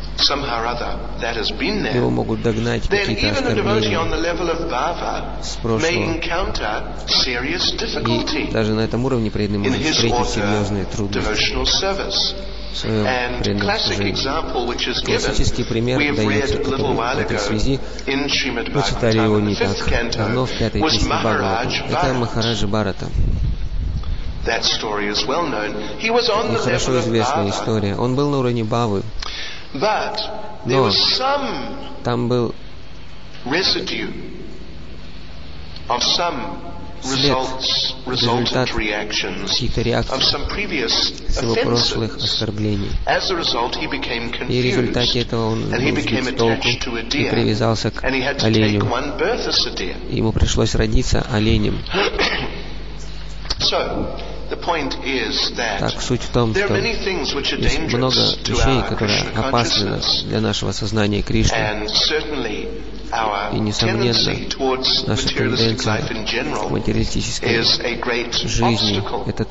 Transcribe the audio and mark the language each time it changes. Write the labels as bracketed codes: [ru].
[ru] его могут догнать какие-то оскорбления с прошлого. И даже на этом уровне преданный может встретить серьезные трудности [en] And classic example which is given, we've read a little while ago in Srimad Bhagavatam, the fifth canto, was Maharaj Bharata. That story is well known. He was on the level of Bhava. [ru] История. Он был на уровне Бхавы. [en] But there was some residue of some resultant reactions of some previous offenses. As a result, he became confused, and he became attached to a deer, and he had to take one birth as a deer. [ru] Ему пришлось родиться оленем. [en] So, the point is that there are many things which are dangerous to our Krishna consciousness, and certainly our tendency towards materialistic life in general is a great obstacle.